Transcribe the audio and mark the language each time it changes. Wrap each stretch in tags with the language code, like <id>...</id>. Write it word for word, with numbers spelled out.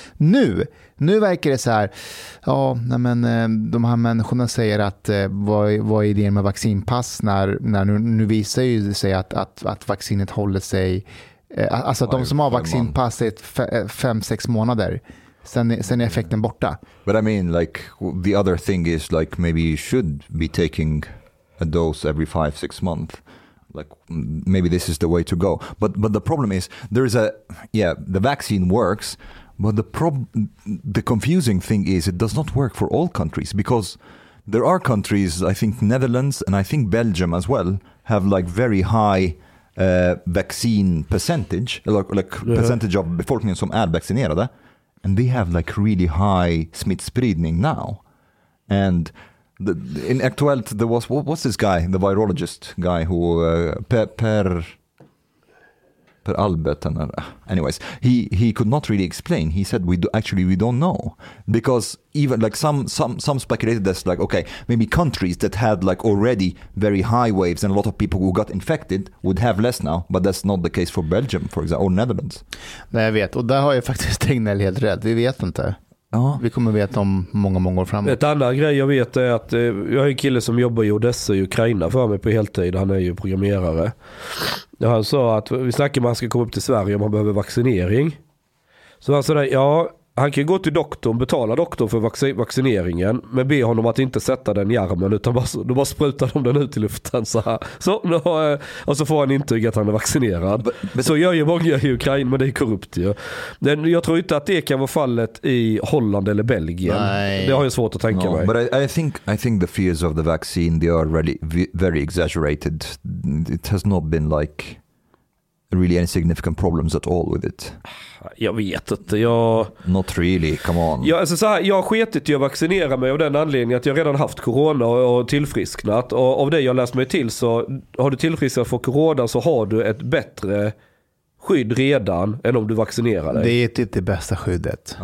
<sv>Nu, nu verkar det så här, ja, nej men de här människorna säger att vad, vad är idén med vaccinpass när, när nu, nu visar ju sig att, att, att vaccinet håller sig, alltså att de som har vaccinpass är fem sex månader. Sen, sen är effekten borta.</sv> <en>But I mean, like the other thing is like maybe you should be taking a dose every five, six months. Like maybe this is the way to go. But but the problem is there is a yeah the vaccine works, but the prob- the confusing thing is it does not work for all countries because there are countries, I think Netherlands and I think Belgium as well, have like very high uh, vaccine percentage, like, like yeah. percentage of</en> <sv>befolkningen som är vaccinerade.</sv> <en>And they have like really high smittspridning now. And the, in Aktuellt, there was, what, what's this guy, the virologist guy who, uh, Per, per Per Albert and uh, anyways, he he could not really explain. He said we do, actually we don't know, because even like some some some speculated that's like okay, maybe countries that had like already very high waves and a lot of people who got infected would have less now, but that's not the case for Belgium, for example, or Netherlands.</en> <sv>Nej, jag vet, och där har jag faktiskt Tegnell helt rätt. Vi vet inte. Ja. Vi kommer veta om många, många år framåt. Ett annat grej jag vet är att eh, jag har en kille som jobbar i Odessa i Ukraina för mig på heltid. Han är ju programmerare. Och han sa att vi snackar om han ska komma upp till Sverige om han behöver vaccinering. Så han sa där, ja, han kan gå till doktorn, betala doktorn för vac- vaccineringen, men be honom att inte sätta den i armen, utan bara, då bara sprutar de den ut i luften så här. Så, då, och så får han intyg att han är vaccinerad. But, but, så gör ju många i Ukraina, men det är korrupt ju. Den, jag tror inte att det kan vara fallet i Holland eller Belgien. Nej. Det har jag svårt att tänka</sv> <en>no,</en> <sv>mig.</sv> <en>But I, I, think, I think the fears of the vaccine, they are really, very exaggerated. It has not been like really any significant problems at all with it.</en> <sv>Jag vet inte. Jag...</sv> <en>Not really, come on.</en> <sv>Jag, alltså så här, jag har sketit i att vaccinera mig av den anledningen att jag redan haft corona och tillfrisknat. Och av det jag läst mig till så har du tillfrisknat för corona så har du ett bättre skydd redan än om du vaccinerar dig. Det är typ det bästa skyddet.</sv>